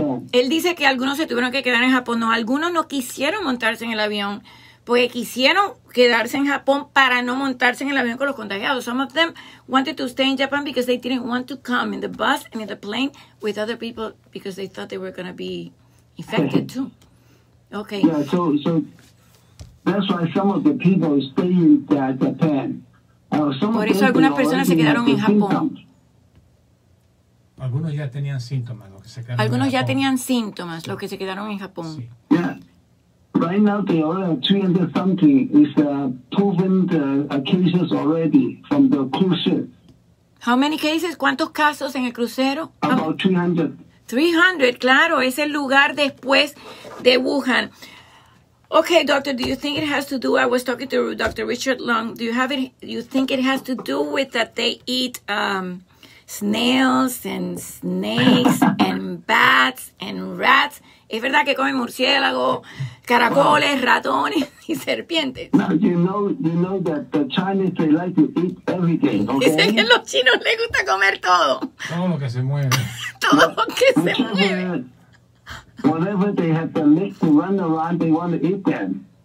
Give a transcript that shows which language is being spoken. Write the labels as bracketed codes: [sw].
[es] Él dice que algunos se tuvieron que quedar en Japón. No, algunos no quisieron montarse en el avión porque quisieron quedarse en Japón para no montarse en el avión con los contagiados. [en] Some of them wanted to stay in Japan because they didn't want to come in the bus and in the plane with other people because they thought they were going to be infected too. Okay. Yeah, so that's why some of the people stay in Japan. [es] Por eso algunas personas se quedaron en Japón. Algunos ya tenían síntomas, los que se quedaron. Los que se quedaron en Japón. Sí. [en] Yeah. Right now the order 300 something is proven the cases already from the cruise. How many cases? [es] ¿Cuántos casos en el crucero? [en] About 300. [es] 300, claro, es el lugar después de Wuhan. [en] Okay, doctor, do you think it has to do, I was talking to Dr. Richard Long, do you think it has to do with that they eat snails and snakes and bats and rats? [es] ¿Es verdad que comen murciélago, caracoles, ratones y serpientes? [en] No, you know that the Chinese, they like to eat everything, okay? [es] Dicen que los chinos les gusta comer todo. Todo lo que se mueve. Todo lo que se mueve. [en] Whatever they have the legs to run around, they want to eat them.